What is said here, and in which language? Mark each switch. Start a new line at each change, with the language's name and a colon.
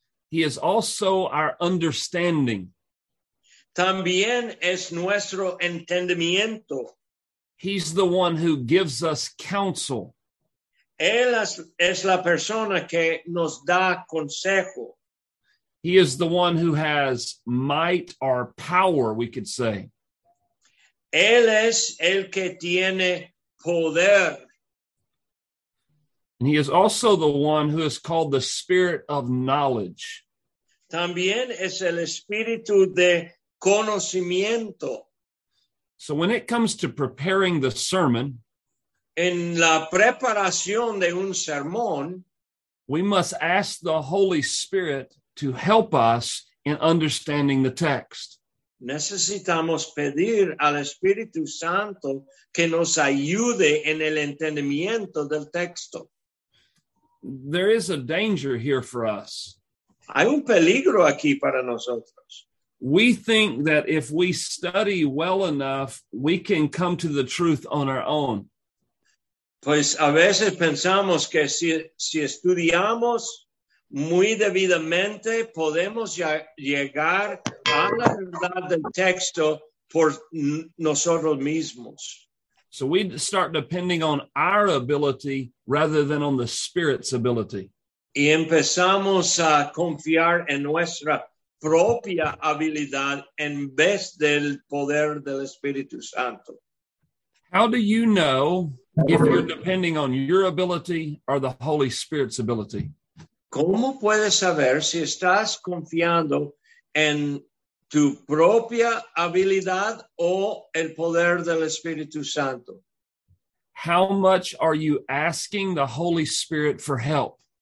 English: He is also our understanding.
Spanish: También es nuestro entendimiento.
English: He's the one who gives us counsel.
Spanish: Él es la persona que nos da consejo.
English: He is the one who has might or power, we could say.
Spanish: Él es el que tiene poder.
English: And he is also the one who is called the Spirit of knowledge.
Spanish: También es el espíritu de conocimiento.
English: So when it comes to preparing the sermon,
Spanish: en la preparación de un sermón,
English: we must ask the Holy Spirit to help us in understanding the text.
Spanish: Necesitamos pedir al Espíritu Santo que nos ayude en el entendimiento del texto.
English: There is a danger here for us.
Spanish: Hay un peligro aquí para nosotros.
English: We think that if we study well enough, we can come to the truth on our own.
Spanish: Pues a veces pensamos que si estudiamos muy debidamente, podemos ya llegar a la verdad del texto por nosotros mismos.
English: So we start depending on our ability rather than on the Spirit's ability.
Spanish: Y empezamos a confiar en nuestra propia habilidad en vez del poder del Espíritu Santo.
English: How do you know if you're depending on your ability or the Holy Spirit's ability?
Spanish: ¿Cómo puedes saber si estás confiando en tu propia habilidad o el poder del Espíritu Santo?
English: How much are you asking the Holy Spirit for help?